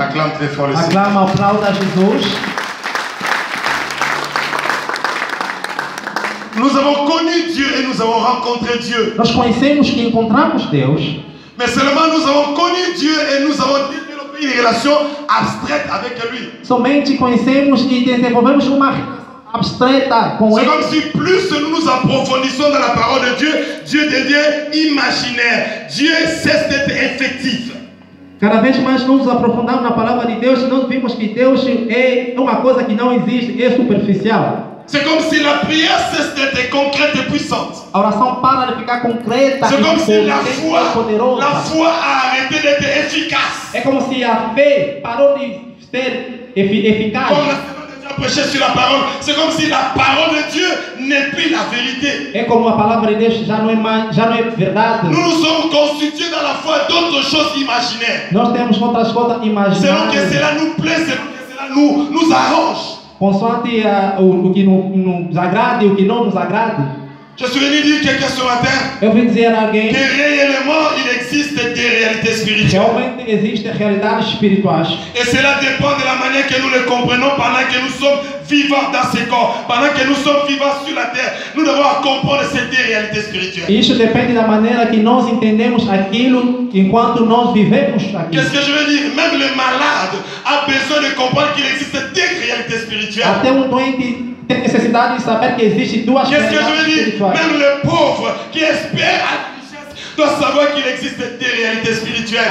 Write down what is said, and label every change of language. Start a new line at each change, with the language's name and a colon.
French: Acclame très fort le Seigneur.
Portuguese: Aclama, aplauda Jesus.
French: Nous avons connu Dieu et nous avons rencontré Dieu.
Portuguese: Nós conhecemos e encontramos Deus.
French: Mais seulement nous avons connu Dieu et nous avons développé une relation abstraite avec lui.
Portuguese: Somente conhecemos e desenvolvemos uma abstraita com ele.
French: Comme si plus nous nous approfondissons dans la parole de Dieu, Dieu devient imaginaire. Dieu cesse d'être effectif.
Portuguese: Cada vez mais nós nos aprofundamos na palavra de Deus, nós vemos que Deus é uma coisa que não existe, é superficial.
French: C'est comme si la prière cesse d'être concrète et puissante.
Portuguese: A oração para de ficar concreta.
French: C'est comme si la foi,
Portuguese: poderosa.
French: La foi a arrêté d'être efficace.
Portuguese: É como se a fé parou de ser eficaz.
French: Prêcher sur la parole, c'est comme si la parole de Dieu n'est plus la vérité.
Portuguese: É como a palavra de Deus já não é verdade.
French: Nous nous sommes constitués dans la foi d'autres choses imaginaires.
Portuguese: Nós temos outras coisas imaginárias.
French: Selon que cela nous plaît, selon que cela nous arrange.
Portuguese: Consoante o que nos agrade e o que não nos agrade.
French: Je suis venu dire quelqu'un ce matin.
Portuguese: Eu vim dizer a alguém.
French: Que réellement il existe des réalités spirituelles.
Portuguese: Realmente existem realidades espirituais.
French: Et cela dépend de la manière que nous le comprenons pendant que nous sommes vivants dans ce corps, pendant que nous sommes vivants sur la terre. Nous devons comprendre cette réalité spirituelle.
Portuguese: Isso depende da maneira que nós entendemos aquilo enquanto nós vivemos aqui.
French: Qu'est-ce que je veux dire? Même le malade a besoin de comprendre qu'il existe des réalités spirituelles.
Portuguese: Até doente tem necessidade de saber que existe duas realidades espirituais.
French: Même le pauvre qui espère à richesse doit savoir qu'il existe des réalités spirituelles.